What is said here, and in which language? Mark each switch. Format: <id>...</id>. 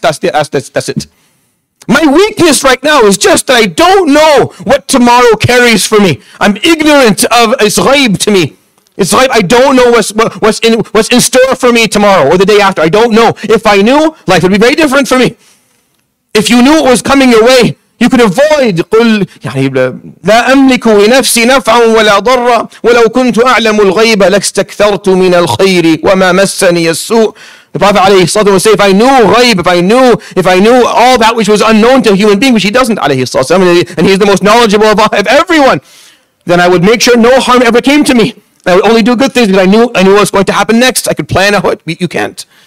<en>That's it. My weakness right now is just that I don't know what tomorrow carries for me. I'm ignorant of it's ghaib to me. It's ghaib. I don't know what's in store for me tomorrow or the day after. I don't know. If I knew, life would be very different for me. If you knew it was coming your way, you could avoid.</en> <ar>قل يعني لا أملك لنفسي نفعا ولا ضرا ولو كنت أعلم الغيب لاستكثرت من الخير وما مسني السوء.</ar> <en>The Prophet alayhi salatu would say, if I knew ghaib, if I knew all that which was unknown to a human being, which he doesn't, alayhi salatu wasalam, and he's the most knowledgeable of everyone, then I would make sure no harm ever came to me. I would only do good things because I knew what was going to happen next. I could plan ahead. You can't.</en>